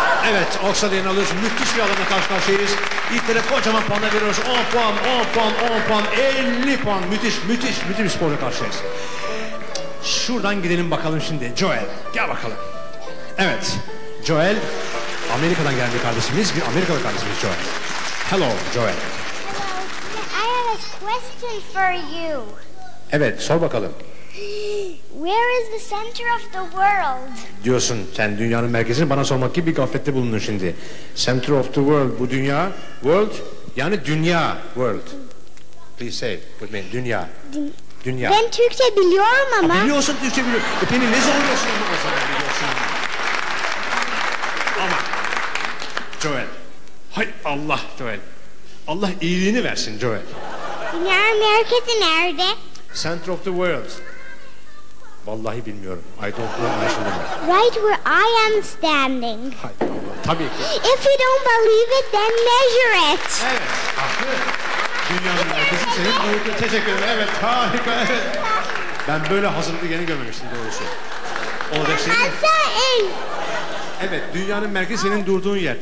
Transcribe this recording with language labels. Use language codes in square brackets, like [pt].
[tr] Evet, Oksalay'ın alıyoruz. Müthiş bir alanda karşı karşıyayız. İlter'e kocaman puanlar veriyoruz. 10 puan, 50 puan. Müthiş, müthiş, müthiş bir sporla karşıyayız. Şuradan gidelim bakalım şimdi. Joel, gel bakalım. Evet, Joel, Amerika'dan gelen bir kardeşimiz. Bir Amerikalı kardeşimiz Joel. [en] Hello, Joel. Hello, I have a question for you. [tr] Evet, sor bakalım. [en] Where is the center of the world? [tr] Diyorsun sen dünyanın merkezini bana sormak gibi bir gaflette bulundun şimdi. [en] Center of the world, [tr] bu dünya. [en] World, [tr] yani dünya. [en] World. Please say with me, dünya. Dünya. [tr] Ben Türkçe biliyorum ama. Aa, biliyorsun Türkçe biliyorum. E beni ne zorluyorsun ama o zaman biliyorsun. Ama Joel. Hay Allah Joel. Allah iyiliğini versin Joel. Dünyanın merkezi nerede? [en] Center of the world. [tr] Vallahi bilmiyorum. [en] I don't know. Right where I am standing. [tr] Hay Allah, tabii ki. [en] If you don't believe it, then measure it. [tr] Evet, haklı. Dünyanın herkesin senin boyutu. Teşekkür ederim. Evet, harika. Evet. Ben böyle hazırlıklı yeni görmemiştim doğrusu. Olacak şey mi? Evet, dünyanın merkezi senin durduğun yer.